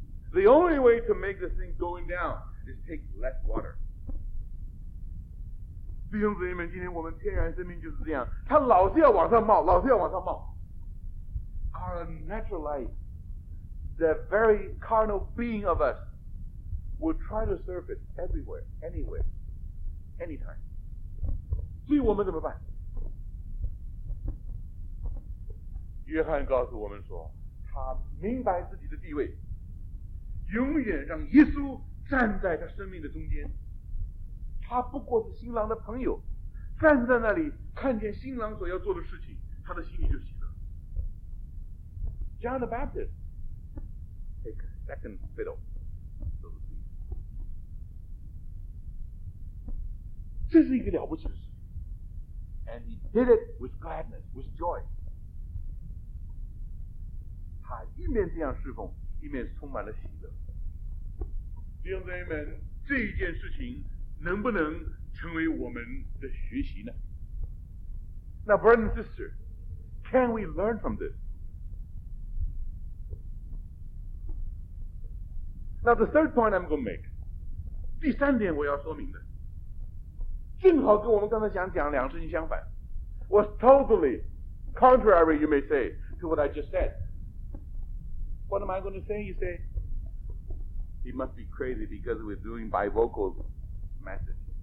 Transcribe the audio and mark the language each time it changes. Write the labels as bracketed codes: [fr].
[en] The only way to make this thing going down is take less water. [zh] 弟兄姊妹们，今天我们天然生命就是这样，它老是要往上冒，老是要往上冒。 [en] Our natural life, the very carnal being of us, will try to serve it everywhere, anywhere, anytime. [zh] 所以我们怎么办? 约翰告诉我们说, 他明白自己的地位, 永远让耶稣站在他生命的中间, 他不过是新郎的朋友, 站在那里, 看见新郎所要做的事情, 他的心里就喜乐。 [en] John the Baptist, take a second fiddle. [zh] 这是一个了不起的事, [en] and he did it with gladness, with joy. [zh] 他一面这样侍奉，一面充满了喜乐。弟兄姊妹们，这一件事情能不能成为我们的学习呢？ [en] Now, brother and sister, can we learn from this? Now, the third point I'm going to make, [zh] 第三点我要说明的。正好跟我们刚才讲两件事情相反, [en] was totally contrary, you may say, to what I just said. What am I going to say? You say, he must be crazy because we're doing bivocal message.